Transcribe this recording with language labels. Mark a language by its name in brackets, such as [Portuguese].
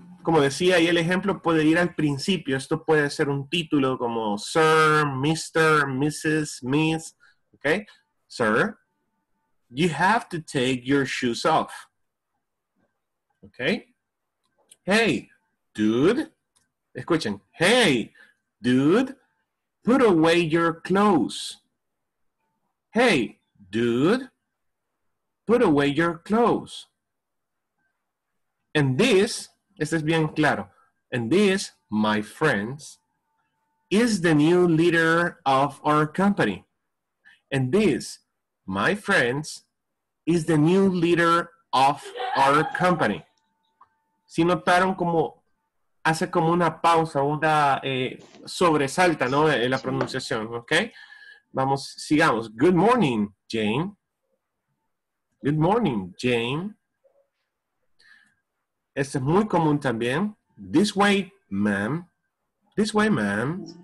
[Spanish] Como decía ahí el ejemplo, puede ir al principio. Esto puede ser un título como Sir, Mr., Mrs., Miss. [English] Okay? Sir, you have to take your shoes off. Okay? Hey, dude. [Spanish] Escuchen. [English] Hey, dude, put away your clothes. Hey, dude, put away your clothes. And this... [Spanish] Este es bien claro. [English] And this, my friends, is the new leader of our company. And this, my friends, is the new leader of our company. [Spanish] Si notaron como hace como una pausa, una sobresalta, ¿no? En la pronunciación, ¿ok? Vamos, sigamos. [English] Good morning, Jane. Good morning, Jane. [Spanish] Este es muy común también. [English] This way, ma'am. This way, ma'am.